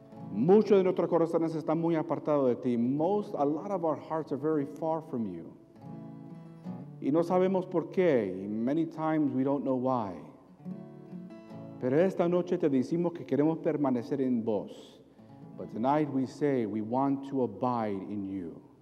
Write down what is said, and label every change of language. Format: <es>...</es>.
<es>Muchos de nuestros corazones están muy apartados de ti.</es> <en>Most, a lot of our hearts are very far from you.</en> <es>Y no sabemos por qué.</es> <en>Many times we don't know why.</en> <es>Pero esta noche te decimos que queremos permanecer en vos.</es> <en>But tonight we say we want to abide in you.</en>